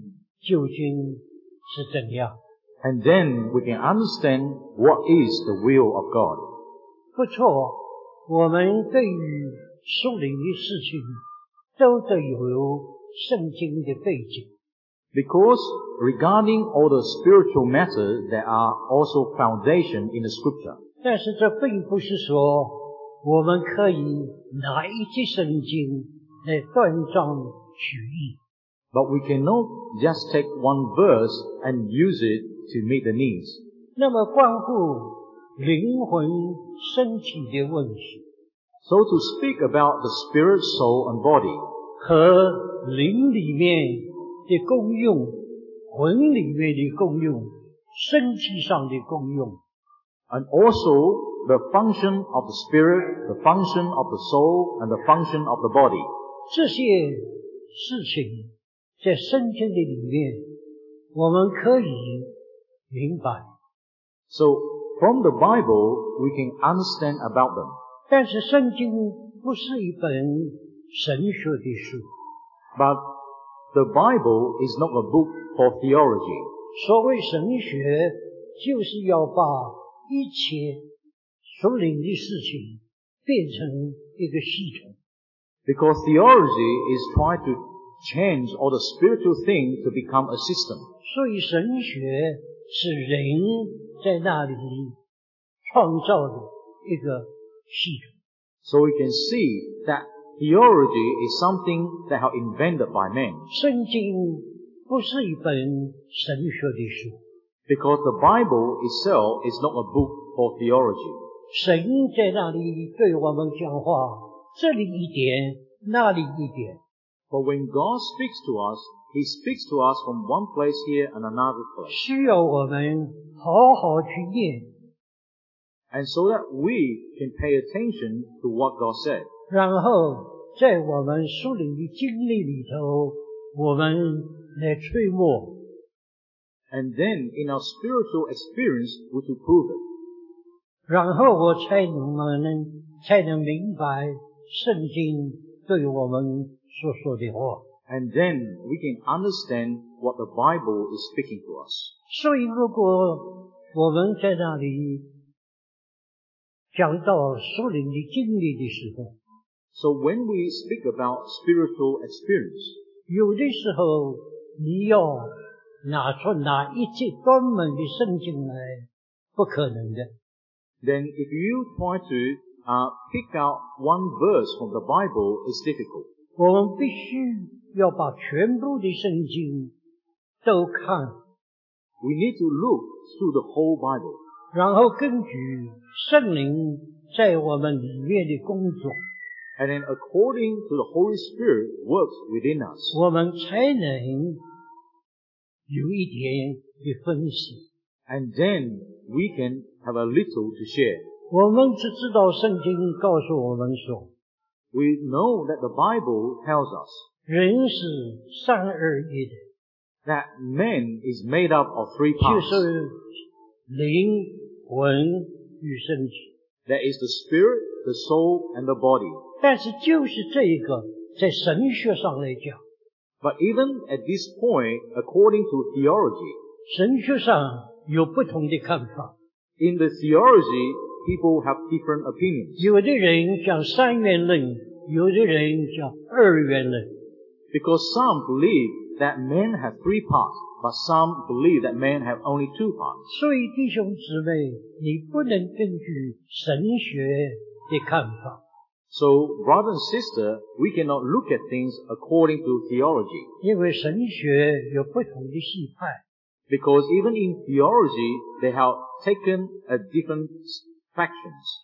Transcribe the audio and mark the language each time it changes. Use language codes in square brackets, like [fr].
[zh] 然后你才能解决神的旨意究竟是怎样。 [en] And then we can understand what is the will of God. [zh] 不错，我们对于属灵的事情都得有圣经的背景。 [en] Because regarding all the spiritual matters, there are also foundations in the scripture. [zh] 但是这并不是说我们可以拿一节圣经来断章取义。 [en] But we cannot just take one verse and use it to meet the needs. [zh] 那么关乎灵魂身体的问题。 [en] So to speak about the spirit, soul, and body. [zh] 和灵里面 的功用，魂里面的功用，身体上的功用， [en] and also the function of the spirit, the function of the soul, and the function of the body. [zh] 这些事情在圣经的里面，我们可以明白。 [en] So, from the Bible, we can understand about them. [zh] 但是圣经不是一本神学的书。 [en] But the Bible is not a book for theology. [zh] 所谓神学就是要把一切属灵的事情变成一个系统。 [en] Because theology is trying to change all the spiritual things to become a system. [zh] 所以神学是人在那里创造的一个系统。 [en] So we can see that theology is something that have invented by man. [zh] 圣经不是一本神学的书。 [en] Because the Bible itself is not a book for theology. [zh] 神在那里对我们讲话，这里一点，那里一点。 [en] But when God speaks to us, He speaks to us from one place here and another place. [zh] 需要我们好好去念。 [en] And so that we can pay attention to what God said. [zh] 然后在我们属灵的经历里头，我们来吹默。 [en] And then in our spiritual experience, we can prove it. [zh] 然后我才能明白圣经对我们所说的话。 [en] And then we can understand what the Bible is speaking to us. [zh] 所以如果我们在那里讲到属灵的经历的时候， [en] So when we speak about spiritual experience, [zh] 有的时候你要拿出哪一节专门的圣经来，不可能的。 [en] Then if you try to pick out one verse from the Bible, it's difficult. [zh] 我们必须要把全部的圣经都看。 [en] We need to look through the whole Bible. [zh] 然后根据圣灵在我们里面的工作。 [en] And then according to the Holy Spirit works within us. [zh] 我们才能有一点的分析。 [en] And then we can have a little to share. [zh] 我们只知道圣经告诉我们说， [en] We know that the Bible tells us. [zh] 人是三而一的。 [en] That man is made up of three parts. [zh] 就是灵魂与身体。 [en] That is the spirit, the soul, and the body. [zh] 但是就是这一个在神学上来讲。 [en] But even at this point, according to theology, [zh] 神学上有不同的看法。 [en] In the theology, people have different opinions. [zh] 有的人讲三元论，有的人讲二元论。 [en] Because some believe that man has three parts, but some believe that man have only two parts. [zh] 所以弟兄姊妹，你不能根据神学的看法。 [en] So, brother and sister, we cannot look at things according to theology. [zh] 因为神学有不同的系派。 [en] Because even in theology, they have taken a different factions.